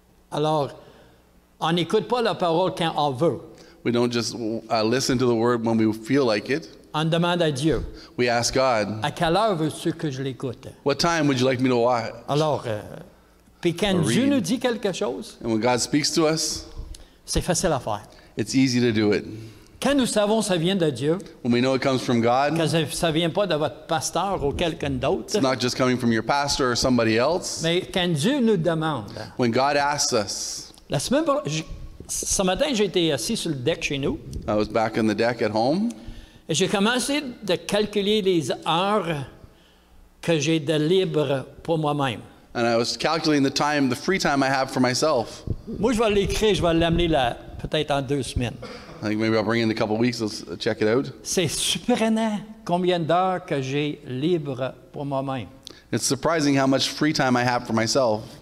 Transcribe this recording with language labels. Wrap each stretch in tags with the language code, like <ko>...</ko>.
<fr>alors, on n'écoute pas la parole quand on veut.</fr> <en>We don't just listen to the word when we feel like it.</en> <fr>On demande à Dieu.</fr> <en>We ask God.</en> <fr>À quelle heure veux-tu que je l'écoute?</fr> <en>What time would you like me to watch?</en> <fr>Alors, puis quand Dieu nous dit quelque chose,</fr> <en>and when God speaks to us,</en> <fr>c'est facile à faire.</fr> <en>It's easy to do it.</en> <fr>Quand nous savons ça vient de Dieu,</fr> <en>when we know it comes from God,</en> <fr>que ça vient pas de votre pasteur ou quelqu'un d'autre,</fr> <en>it's not just coming from your pastor or somebody else,</en> <fr>mais quand Dieu nous demande,</fr> <en>when God asks us,</en> <fr>la semaine, ce matin j'étais assis sur le deck chez nous,</fr> <en>I was back on the deck at home,</en> <fr>et j'ai commencé de calculer les heures que j'ai de libre pour moi-même.</fr> <en>And I was calculating the time, the free time I have for myself.</en> <fr>Moi, je vais l'écrire, je vais l'amener là, peut-être en deux semaines.</fr> <en>I think maybe I'll bring it in a couple of weeks, let's check it out.</en> <fr>C'est surprenant combien d'heures que j'ai libre pour moi-même.</fr> <en>It's surprising how much free time I have for myself.</en>